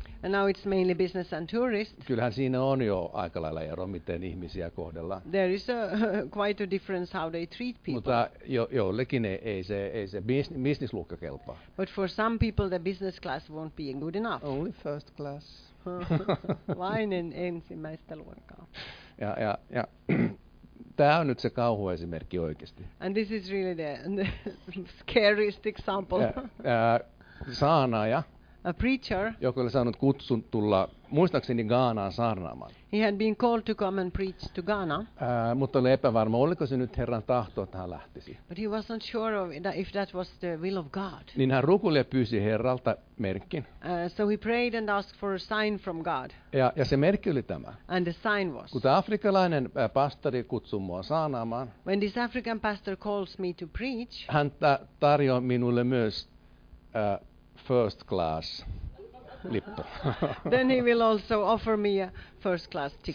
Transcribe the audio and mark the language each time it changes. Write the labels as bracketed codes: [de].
[en] And now it's mainly business and tourist. [fi] Kyllähän siinä on jo aika lailla ero, miten ihmisiä kohdellaan. [en] There is quite a difference how they treat people. [fi] Mutta jollekin ei se business-luokka kelpaa. [en] But for some people the business class won't be good enough. Only first class. [fi] Vain ensimmäistä luokkaa. Ja tämä on nyt se kauhu esimerkki oikeasti. [en] And this is really the scariest example. [fi] Saanaaja. [en] a preacher. [fi] Joka oli saanut kutsun tulla muistaakseni Ghanaan saarnaamaan. [en] He had been called to come and preach to Ghana. [fi] Mutta oli epävarma, oliko se nyt Herran tahto, että hän lähtisi. [en] But he wasn't sure of that, if that was the will of God. [fi] Niin hän rukuili ja pyysi Herralta merkin. [en] So he prayed and asked for a sign from God. [fi] Ja se merkki oli tämä. [en] And the sign was. [fi] Kun tämä afrikkalainen pastori kutsui mua saarnaamaan. [en] When this African pastor calls me to preach. [fi] Hän tarjoaa minulle myös first class. Lippu. [en] Then he will also offer me a first class ticket.